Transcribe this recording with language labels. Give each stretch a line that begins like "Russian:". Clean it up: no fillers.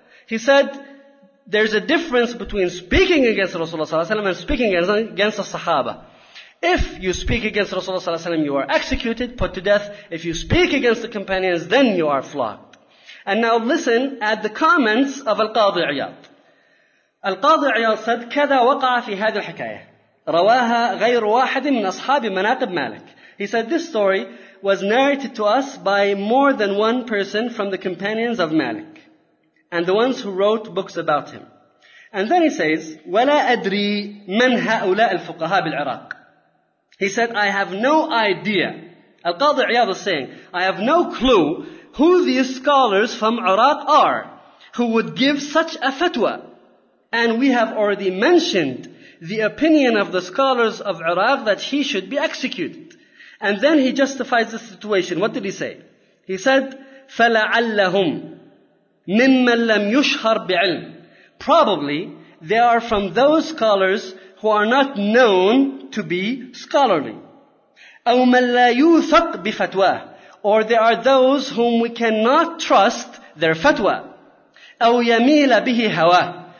English: He said, there's a difference between speaking against Rasulullah sallallahu alaihi wasallam and speaking against the Sahaba. If you speak against Rasulullah sallallahu alaihi wasallam, you are executed, put to death. If you speak against the companions, then you are flogged. And now listen at the comments of Al-Qadhi Iyad. Al-Qadhi Iyad said,
Arabic: كَذَا وَقَعَ فِي هَذِي الْحَكَايَةِ رَوَاهَا غَيْرُ وَاحَدٍ مِنْ أَصْحَابِ مَنَاقِبِ مَالِكٍ.
English: He said, this story was narrated to us by more than one person from the companions of Malik, and the ones who wrote books about him. And then he says,
Arabic: وَلَا أَدْرِي مَنْ هَؤُلَاءِ الْفُقَهَا بِالْعِرَاقِ.
English: He said, I have no idea. Al-Qadhi Iyad was saying, I have no clue who these scholars from Iraq are who would give such a fatwa. And we have already mentioned the opinion of the scholars of Iraq that he should be executed. And then he justifies the situation. What did he say? He said,
Arabic: فَلَعَلَّهُمْ مِمَّنْ لَمْ يُشْهَرْ بِعِلْمِ.
English: Probably, they are from those scholars who are not known to be scholarly.
Arabic: أَوْ مَنْ لَا يُوثَقْ بِفَتْوَاهِ.
English: Or they are those whom we cannot trust their fatwa.
Arabic: أَوْ يَمِيلَ بِهِ هَوَاهِ.